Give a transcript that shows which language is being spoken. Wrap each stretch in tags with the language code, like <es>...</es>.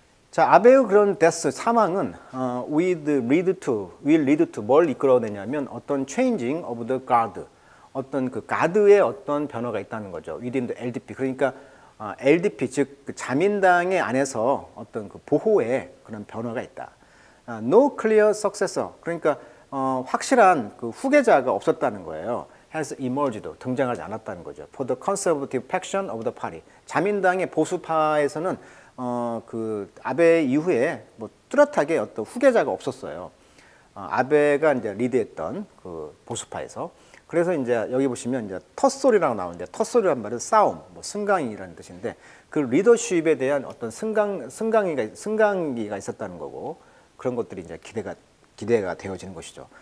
<ko>자, 아베의 그런 데스, 사망은</ko> <en>will lead to</en> <ko>뭘 이끌어내냐면 어떤</ko> <en>changing of the guard,</en> <ko>어떤 그 가드의 어떤 변화가 있다는 거죠.</ko> <en>within the LDP.</en> <ko>그러니까 LDP, 즉 그 자민당의 안에서 어떤 그 보호의 그런 변화가 있다.</ko> <en>No clear successor.</en> <ko>그러니까 확실한 그 후계자가 없었다는 거예요.</ko> <en>Has emerged,</en> <ko>등장하지 않았다는 거죠.</ko> <en>For the conservative faction of the party.</en> <ko>자민당의 보수파에서는 그 아베 이후에 뭐 뚜렷하게 어떤 후계자가 없었어요. 아베가 이제 리드했던 그 보수파에서. 그래서 이제 여기 보시면 이제 텃소리라고 나오는데, 텃소리란 말은 싸움, 뭐 승강이라는 뜻인데, 그 리더십에 대한 어떤 승강기가 있었다는 거고, 그런 것들이 이제 기대가 되어지는 것이죠.</ko>